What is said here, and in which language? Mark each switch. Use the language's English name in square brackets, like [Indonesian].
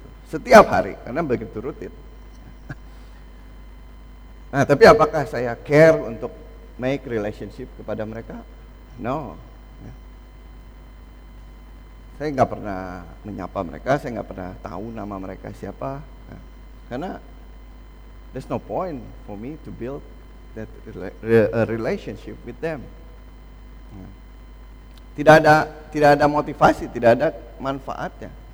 [Indonesian] Setiap hari, karena begitu rutin. Nah, tapi apakah saya care untuk [English] make relationship [Indonesian] kepada mereka? No. Saya nggak pernah menyapa mereka, saya nggak pernah tahu nama mereka siapa. Nah, karena [English] there's no point for me to build that relationship with them. [Indonesian] Tidak ada motivasi, tidak ada manfaatnya.